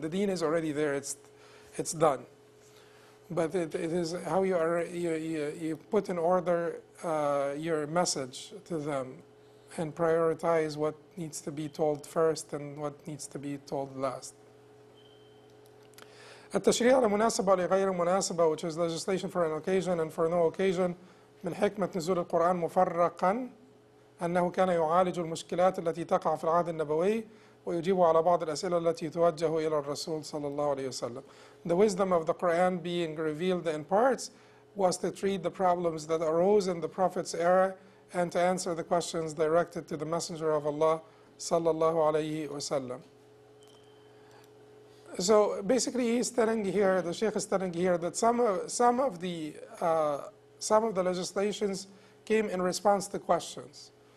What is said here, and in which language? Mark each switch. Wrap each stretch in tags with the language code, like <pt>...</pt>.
<en>The deen is already there, it's done. But it is how you put in order your message to them and prioritize what needs to be told first and what needs to be told last.</en> <ar>التشريع المناسبة لغير المناسبة,</ar> <en>which is legislation for an occasion and for no occasion,</en> <ar>من حكمة نزول القرآن مفرقا أنه كان يعالج المشكلات التي تقع في العهد النبوي ويجيب على بعض الأسئلة التي توجه إلى الرسول صلى الله عليه وسلم.</ar> <en>The wisdom of the Quran being revealed in parts was to treat the problems that arose in the Prophet's era and to answer the questions directed to the Messenger of Allah صلى الله عليه وسلم. So basically the Sheikh is telling here that some of the legislations came in response to questions.</en>